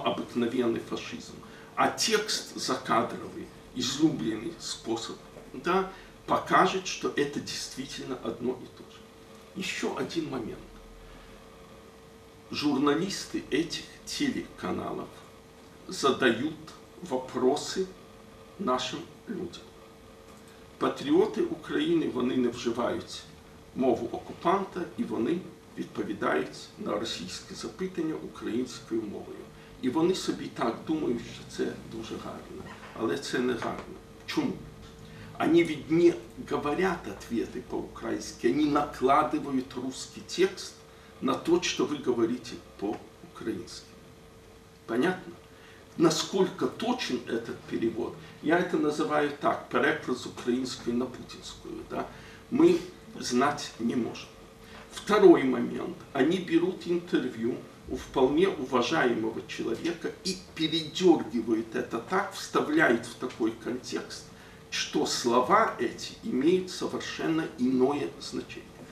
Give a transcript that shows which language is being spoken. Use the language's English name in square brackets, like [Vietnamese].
[Russian] Обыкновенный фашизм». А текст закадровый, излюбленный способ, да, покажет, что это действительно одно и то же. Еще один момент. Журналисты этих телеканалов задают вопросы нашим людям. [Ukrainian] Патриоты Украины, вони не вживають мову окупанта, і вони відповідають на російські запитання українською мовою. І вони собі так думають, що це дуже гарно. Але це не гарно. Чому? Вони від не говорять відповіді по-українськи, вони накладають російський текст на те, що ви говорите по-українськи. [Russian] Понятно? [Ukrainian] Наскільки [Russian] точен этот перевод? Я это называю так, [Ukrainian] переклад з української на путінську. Да? Ми знати не можемо. [Russian] Второй момент. Они берут интервью у вполне уважаемого человека и передергивают это так, вставляют в такой контекст, что слова эти имеют совершенно иное значение.